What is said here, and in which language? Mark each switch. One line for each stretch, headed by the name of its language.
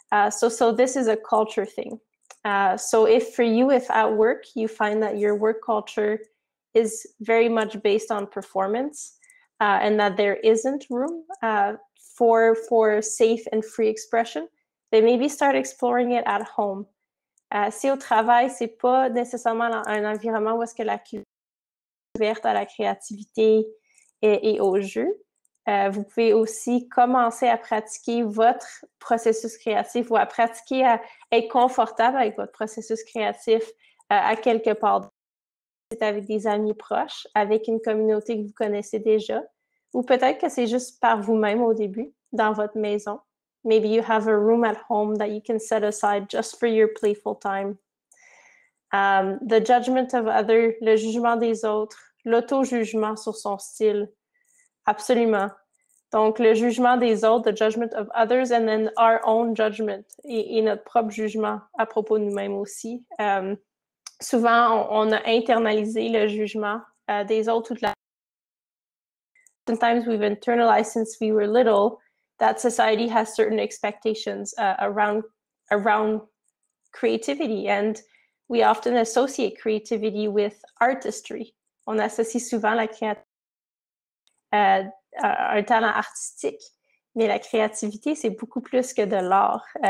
English: So this is a culture thing. So if for you, if at work, you find that your work culture is very much based on performance and that there isn't room for safe and free expression, then maybe start exploring it at home.
French: Si au travail, c'est pas nécessairement un environnement où est-ce que la culture est ouverte à la créativité et au jeu, vous pouvez aussi commencer à pratiquer votre processus créatif ou à pratiquer à être confortable avec votre processus créatif à quelque part. C'est avec des amis proches, avec une communauté que vous connaissez déjà. Ou peut-être que c'est juste par vous-même au début, dans votre maison.
English: Maybe you have a room at home that you can set aside just for your playful time. The judgment of others,
French: le jugement des autres, l'auto-jugement sur son style. Absolument. Donc, le jugement des autres,
English: the judgment of others, and then our own judgment,
French: et notre propre jugement à propos de nous-mêmes aussi. Souvent, on a internalisé le jugement des autres toute la vie.
English: Sometimes we've internalized since we were little that society has certain expectations around creativity, and we often associate creativity with artistry.
French: On associe souvent la créativité un talent artistique, mais la créativité, c'est beaucoup plus que de l'art.